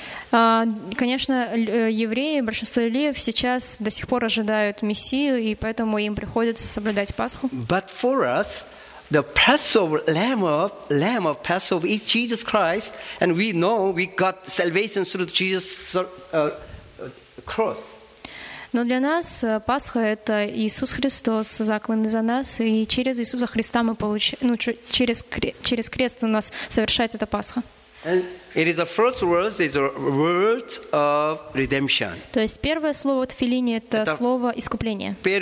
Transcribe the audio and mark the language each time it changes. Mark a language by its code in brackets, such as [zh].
[ru] Конечно, евреи, большинство евреев сейчас до сих пор ожидают Мессию, и поэтому им приходится соблюдать Пасху. [en] But for us, the Passover lamb of Passover is Jesus Christ, and we know we got salvation through Jesus' cross. [ru] Но для нас Пасха это Иисус Христос, заклинный за нас, и через Иисуса Христа мы через крест у нас совершается эта Пасха. [en] And it is the first word is a word of redemption. [ru] То есть первое слово в филине это слово искупления.